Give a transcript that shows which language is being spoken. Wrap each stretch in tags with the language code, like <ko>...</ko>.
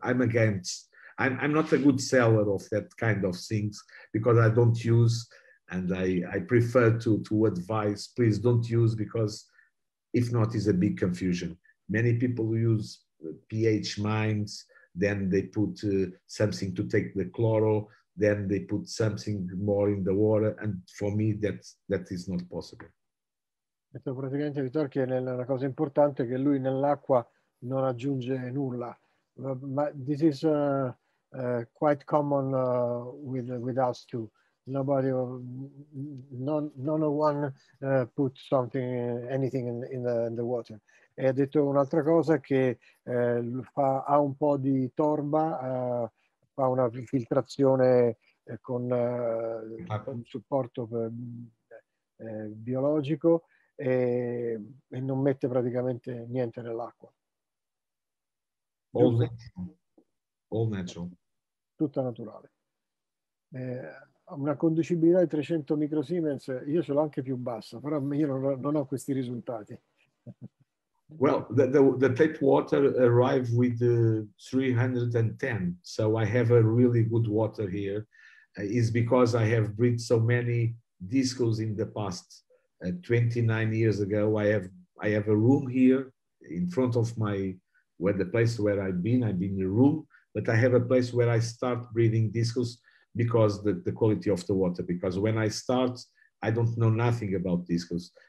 <en>I'm not a good seller of that kind of things because I don't use, and I prefer to advise, please don't use, because if not, it's a big confusion. Many people use pH mines, then they put something to take the chloro, then they put something more in the water, and for me that is not possible.</en> <it>Detto praticamente Vittor che è una cosa importante che lui nell'acqua non aggiunge nulla.</it> <en>But this is quite common with us too. Put anything in the water.</en> <it>E ha detto un'altra cosa che ha un po' di torba, fa una filtrazione con un supporto biologico. E non mette praticamente niente nell'acqua.</it> <en>All natural.</en> <it>Tutta naturale. Una conducibilità di 300 microsiemens, io ce l'ho anche più bassa, però io non ho questi risultati.</it> <en>Well, the tap water arrived with 310, so I have a really good water here. It's because I have bred so many discos in the past. 29 years ago, I have a room here in front of my, where the place where I've been in the room, but I have a place where I start breeding discus because the quality of the water, because when I start, I don't know nothing about discus.</en>